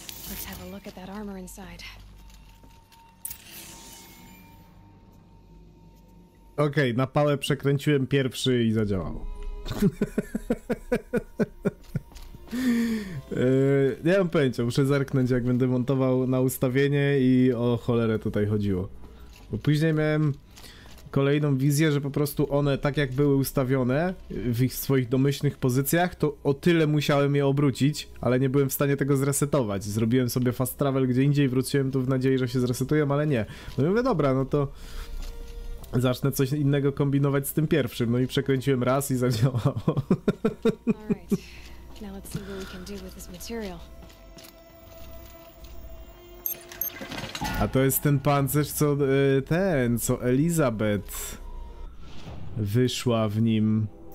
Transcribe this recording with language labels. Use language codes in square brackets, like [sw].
[en] Let's have a look at that armor inside. [pl] Okej, na pałę przekręciłem pierwszy i zadziałało. Nie mam pojęcia, muszę zerknąć, jak będę montował na ustawienie i o cholerę tutaj chodziło. Bo później miałem kolejną wizję, że po prostu one tak jak były ustawione w ich swoich domyślnych pozycjach, to o tyle musiałem je obrócić, ale nie byłem w stanie tego zresetować. Zrobiłem sobie fast travel gdzie indziej, wróciłem tu w nadziei, że się zresetują, ale nie. No i mówię, dobra, no to zacznę coś innego kombinować z tym pierwszym. No i przekręciłem raz i zadziałało. [en] Now let's see what we can do with this material. [pl] A to jest ten pancerz, co ten, co Elizabeth wyszła w nim.